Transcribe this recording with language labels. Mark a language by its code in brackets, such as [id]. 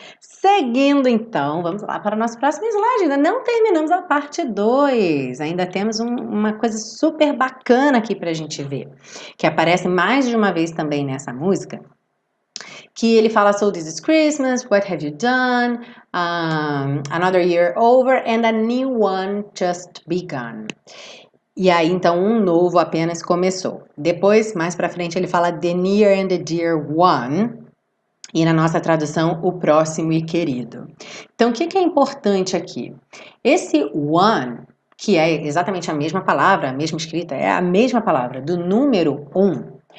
[pt] Seguindo então, vamos lá para o nosso próximo slide. Ainda não terminamos a parte 2. Ainda temos uma coisa super bacana aqui para a gente ver, que aparece mais de uma vez também nessa música, que ele fala: [en] So this is Christmas, what have you done? Another year over and a new one just begun. [pt] E aí, então, um novo apenas começou. Depois, mais para frente, ele fala [en] the near and the dear one. [pt] E na nossa tradução, o próximo e querido. Então, o que que é importante aqui? Esse one, que é exatamente a mesma palavra, a mesma escrita, é a mesma palavra do número um.